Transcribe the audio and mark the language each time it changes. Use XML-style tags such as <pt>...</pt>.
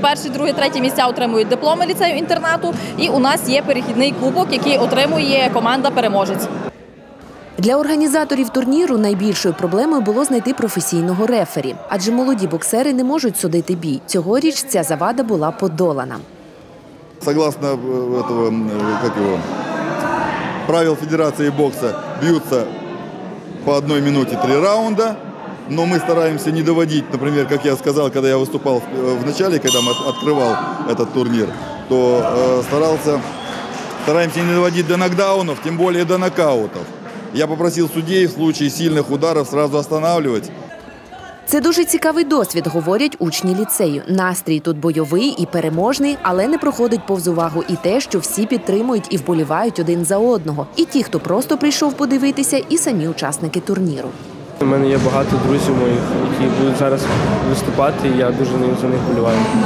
<uk>Перші, другі, треті місця отримують дипломи ліцею-інтернату. І у нас є перехідний кубок, який отримує команда-переможець. Для організаторів турніру найбільшою проблемою було знайти професійного рефері. Адже молоді боксери не можуть судити бій. Цьогоріч ця завада була подолана.</uk> <ru>Согласно этого, как его, правил</ru> <uk>Федерації</uk> <ru>бокса,</ru> <uk>б'ються</uk> <ru>по 1 минуте 3 раунда, но мы стараемся не доводить, например, как я сказал, когда я выступал в начале, когда мы открывал этот турнир, то стараемся не доводить до нокдаунов, тем более до нокаутов. Я попросил судей в случае сильных ударов сразу останавливать.</ru> <uk>Це дуже цікавий досвід, говорять учні ліцею. Настрій тут бойовий і переможний, але не проходить повз увагу і те, що всі підтримують і вболівають один за одного. І ті, хто просто прийшов подивитися, і самі учасники турніру. У мене є багато друзів моїх, які будуть зараз виступати, і я дуже за них вболіваю.</uk>